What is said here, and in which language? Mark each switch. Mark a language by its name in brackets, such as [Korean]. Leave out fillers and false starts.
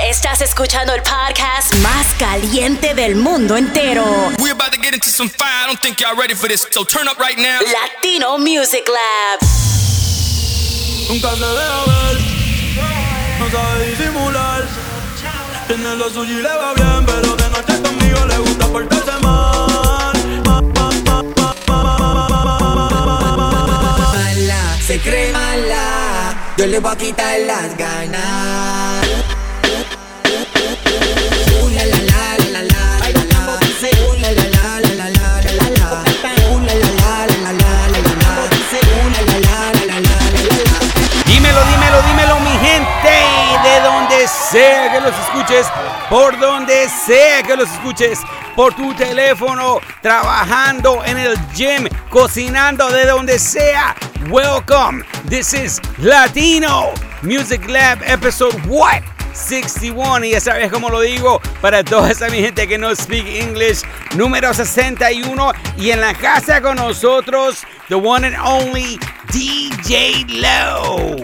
[Spanish] Estás escuchando el podcast más caliente del mundo entero. [English] We're about to get into some fire. I don't think y'all ready for this. So turn up right now. Latino Music Lab. [Spanish] Nunca se deja ver. No sabe disimular. Tiene lo suyo y le va bien. Pero de noche conmigo le gusta portarse mal. Mala, se cree mala. Yo le voy a quitar las ganas. Una la la la la la la. Una la la la la la la la la. Una la la la la la la la la. Una la la la la la la la. Dímelo, mi gente. De donde sea que los escuches, por donde sea que los escuches, por tu teléfono, trabajando en el gym, cocinando, de donde sea. [English] Welcome, this is Latino Music Lab, episode what? [Spanish] 61, y ya sabes cómo lo digo, para toda esa mi gente que [English] no speak English, [Spanish] número 61, y en la casa con nosotros, [English] the one and only DJ Low.